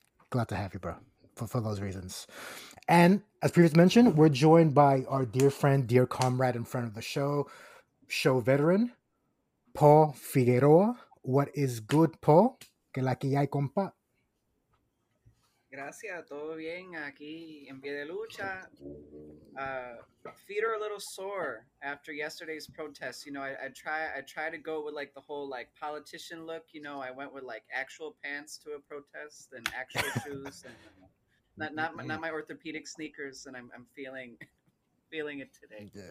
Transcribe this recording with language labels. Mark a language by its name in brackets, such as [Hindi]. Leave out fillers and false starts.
[English] Glad to have you, bro, for those reasons. And as previously mentioned, we're joined by our dear friend, dear comrade and friend of the show veteran, Paul Figueroa. What is good, Paul? [Spanish] Que la que hay, compa? Gracias, todo bien aquí en pie de lucha. [English] Feet are a little sore after yesterday's protest. You know, I try to go with like the whole like politician look. You know, I went with like actual pants to a protest and actual shoes and not my orthopedic sneakers, and I'm feeling it today.